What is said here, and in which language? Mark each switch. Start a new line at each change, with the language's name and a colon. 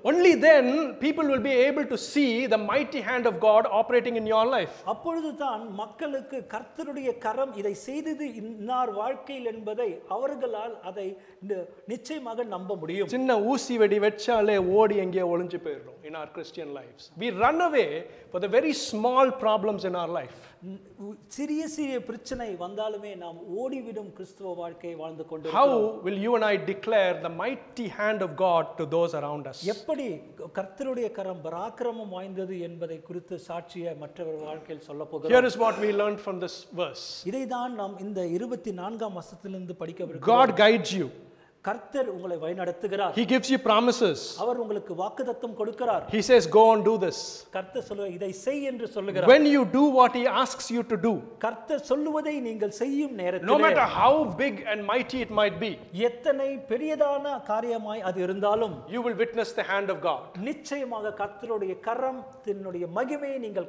English: Only then people will be able to see the mighty hand of God operating in your life.
Tamil: அப்பொழுது தான் மக்களுக்கு கர்த்தருடைய கரம் இதை செய்தது இன்னார் வாழ்க்கையில் என்பதை அவர்களால் அதை நிச்சயமாக நம்ப முடியும். சின்ன ஊசி வெடி வச்சாலே ஓடி எங்கேயோ ஒளிஞ்சு போயிடும்.
English: In our Christian lives, we run away for the very small problems in our life.
Tamil: சிறிய சிறிய பிரச்சனை வந்தாலுமே நாம் ஓடிவிடும் கிறிஸ்துவ வாழ்க்கையை வாழ்ந்து கொண்டிருக்கிறோம்.
English: How will you and I declare the mighty hand of God to those around us?
Tamil: எப்படி கர்த்தருடைய கரம் பராக்கிரமம் வாய்ந்தது என்பதை குறித்து சாட்சியாக மற்றவர் வாழ்க்கையில் சொல்ல போகிறோம்?
English: Here is what we learned from this verse.
Tamil: இதைதான் நாம் இந்த 24ஆம் வசனத்திலிருந்து படிக்க விரும்புகிறோம்.
English: God guides you.
Tamil: கர்த்தர் உங்களை வழிநடத்துகிறார்.
English: He gives you promises.
Tamil: அவர் உங்களுக்கு வாக்குத்தத்தம் கொடுக்கிறார்.
English: He says go and do this.
Tamil: கர்த்தர் சொல்லுவார் இதை செய் என்று சொல்கிறார்.
English: When you do what he asks you to do.
Tamil: கர்த்தர் சொல்லுவதை நீங்கள் செய்யும் நேரத்தில்,
English: no matter how big and mighty it might be.
Tamil: எத்தனை பெரியதான காரியமாய் அது இருந்தாலும்,
English: you will witness the hand of God.
Tamil: நிச்சயமாக கர்த்தருடைய கரத்தினுடைய மகிமையை நீங்கள்